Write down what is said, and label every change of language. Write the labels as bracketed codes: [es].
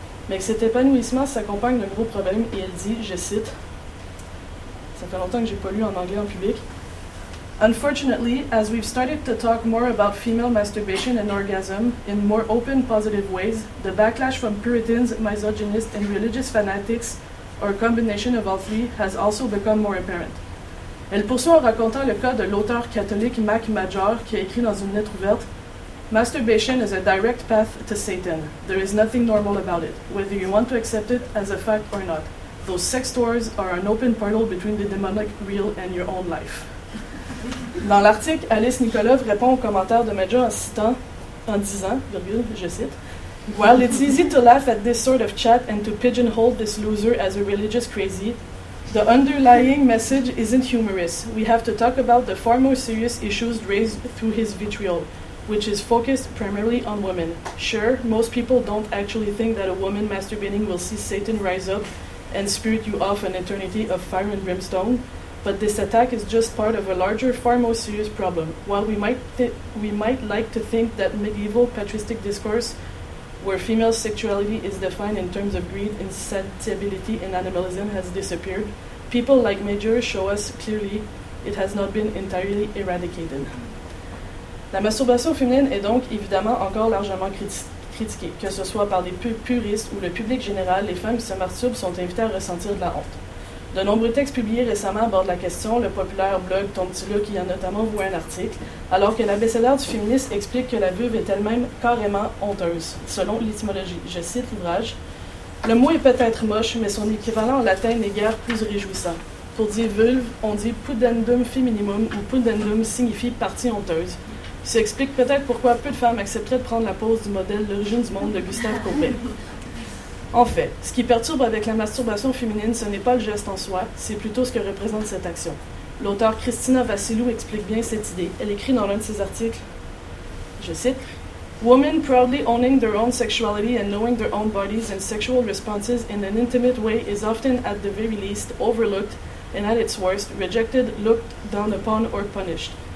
[fr] mais que cet épanouissement s'accompagne d'un gros problème, et elle dit, je cite, ça fait longtemps que j'ai pas lu en anglais en public, [en] unfortunately, as we've started to talk more about female masturbation and orgasm in more open, positive ways, the backlash from Puritans, misogynists, and religious fanatics, or a combination of all three, has also become more apparent. [fr] Elle poursuit en racontant le cas de l'auteur catholique Mac Major qui a écrit dans une lettre ouverte, [en] masturbation is a direct path to Satan. There is nothing normal about it, whether you want to accept it as a fact or not. Those sex toys are an open portal between the demonic real and your own life. [fr] Dans l'article, Alice Nikolov répond aux commentaires de Major en citant, en disant, je cite, [en] while it's easy to laugh at this sort of chat and to pigeonhole this loser as a religious crazy, the underlying message isn't humorous. We have to talk about the far more serious issues raised through his vitriol, which is focused primarily on women. Sure, most people don't actually think that a woman masturbating will see Satan rise up and spirit you off an eternity of fire and brimstone, but this attack is just part of a larger, far more serious problem. While we might like to think that medieval patristic discourse where female sexuality is defined in terms of greed, insatiability, and animalism has disappeared, people like Major show us clearly it has not been entirely eradicated. [fr] La masturbation féminine est donc évidemment encore largement critiquée, que ce soit par les puristes ou le public général, les femmes qui se masturbent sont invitées à ressentir de la honte. De nombreux textes publiés récemment abordent la question, le populaire blog Ton petit look y a notamment voué un article, alors que la best-seller du féministe explique que la veuve est elle-même carrément honteuse, selon l'étymologie. Je cite l'ouvrage, le mot est peut-être moche, mais son équivalent en latin n'est guère plus réjouissant. Pour dire vulve, on dit pudendum feminimum, ou pudendum signifie partie honteuse. Ça explique peut-être pourquoi peu de femmes accepteraient de prendre la pose du modèle L'origine du monde de Gustave Courbet. En fait, ce qui perturbe avec la masturbation féminine, ce n'est pas le geste en soi, c'est plutôt ce que représente cette action. L'auteur Christina Vassilou explique bien cette idée. Elle écrit dans l'un de ses articles, je cite, [en] « Women proudly owning their own sexuality and knowing their own bodies and sexual responses in an intimate way is often at the very least overlooked and at its worst rejected, looked down upon or punished.